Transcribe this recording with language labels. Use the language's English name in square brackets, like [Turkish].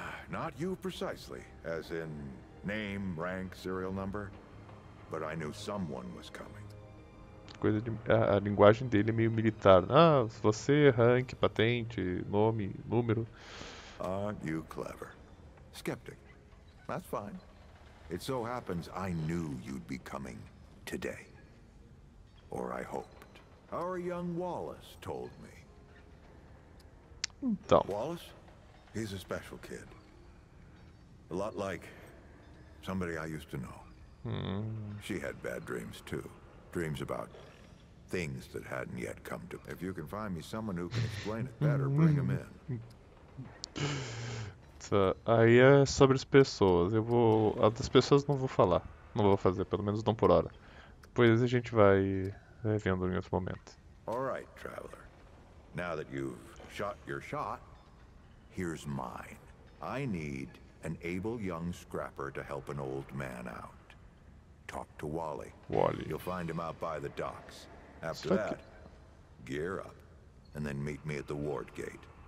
[English] Not you precisely, as in name, rank, serial number, but I knew someone was coming. [Portuguese] Coisa de, a linguagem dele é meio militar. Ah, você, rank, patente, nome, número. [English] Aren't you clever? Skeptic. That's fine. It so happens I knew you'd be coming today. Or I hoped. Our young Wallace told me. [Portuguese] Então. [English] Wallace? He's a special kid. A lot like somebody I used to know. She had bad dreams too. Dreams about things that hadn't yet come to. If you can find me someone who can explain it better, bring him in. [Portuguese] Tá. Aí é sobre as pessoas. Eu vou. As das pessoas não vou falar. Não vou fazer, pelo menos não por hora. Depois a gente vai vendo em outro momento. [English] All right, traveler. Now that you've shot your shot, here's mine. I need an able young scrapper to help an old man out. Talk to Wally. Wally. You'll find him out by the docks. After that, gear up, and then meet me at the ward gate.